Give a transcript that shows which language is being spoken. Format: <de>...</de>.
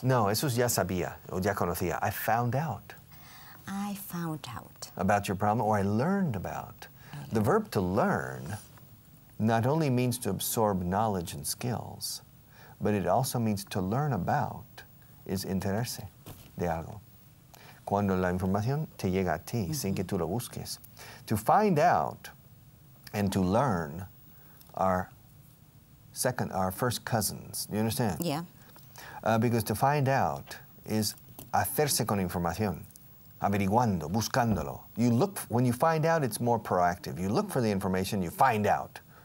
<es>No, eso ya sabía o ya conocía.</es> <en>I found out. I found out. About your problem, or I learned about. Okay. The verb to learn not only means to absorb knowledge and skills, but it also means to learn about is</en> <es>enterarse de algo. Cuando la información te llega a ti, sin que tú lo busques.</es> <en>To find out and to learn are first cousins. You understand? Yeah. Because to find out is</en> <es>hacerse con información, averiguando, buscándolo.</es> <en>You look, when you find out, it's more proactive. You look for the information, you find out.</en>